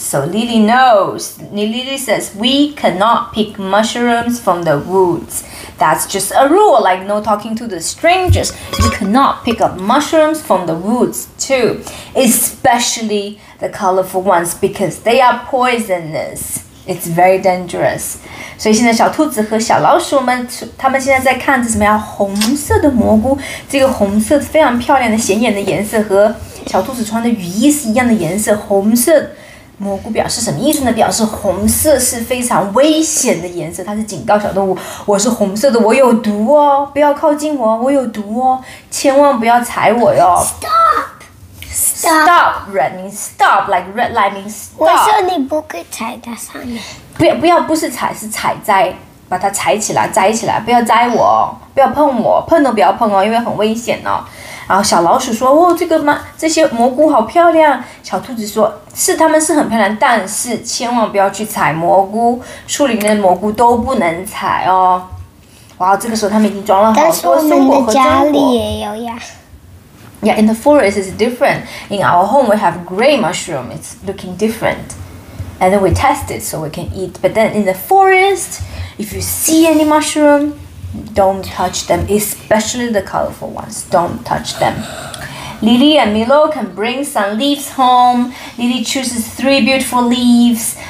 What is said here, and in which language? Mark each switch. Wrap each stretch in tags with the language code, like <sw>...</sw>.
<en>So Lily knows. Lily says, we cannot pick mushrooms from the woods. That's just a rule, like no talking to the strangers. You cannot pick up mushrooms from the woods too. Especially the colorful ones because they are poisonous. It's very dangerous.</en> <zh>所以现在小兔子和小老鼠们，他们现在在看着什么呀？红色的蘑菇，这个红色非常漂亮的显眼的颜色和小兔子穿的雨衣是一样的颜色，红色蘑菇表示什么意思呢？表示红色是非常危险的颜色，它是警告小动物，我是红色的，我有毒哦，不要靠近我，我有毒哦，千万不要踩我哟。</zh> <en>Stop! Red means stop, like red light means stop.</en> <zh>我说你不可以踩在上面。不要，不是踩，是踩在，把它踩起来，摘起来，不要摘我，不要碰我，碰都不要碰哦，因为很危险哦。然后小老鼠说，哦，这个吗？这些蘑菇好漂亮。小兔子说，是，它们是很漂亮，但是千万不要去采蘑菇，树林的蘑菇都不能采哦。哇，这个时候他们已经装了好多松果和榛果。但是我们的家里也有呀。</zh> <en>Yeah, in the forest it's different. In our home we have gray mushroom, it's looking different. And then we test it so we can eat. But then in the forest, if you see any mushroom,Don't touch them, especially the colorful ones. Don't touch them. Lily and Milo can bring some leaves home. Lily chooses 3 beautiful leaves.</en>